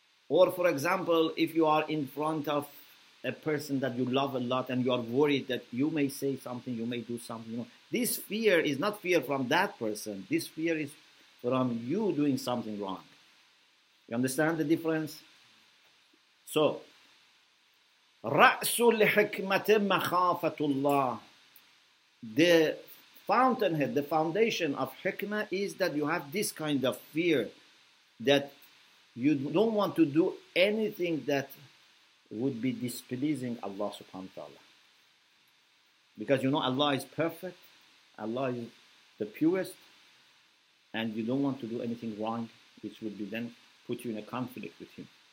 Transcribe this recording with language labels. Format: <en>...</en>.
<en>Or for example, if you are in front of a person that you love a lot and you are worried that you may say something, you may do something. You know, this fear is not fear from that person. This fear is from you doing something wrong. You understand the difference?</en> <ar>So, رأس الحكمة مخافة الله.</ar> <en>The fountainhead, the foundation of hikmah is that you have this kind of fear that you don't want to do anything that would be displeasing Allah subhanahu wa ta'ala. Because you know Allah is perfect, Allah is the purest, and you don't want to do anything wrong, which would be then put you in a conflict with Him.</en>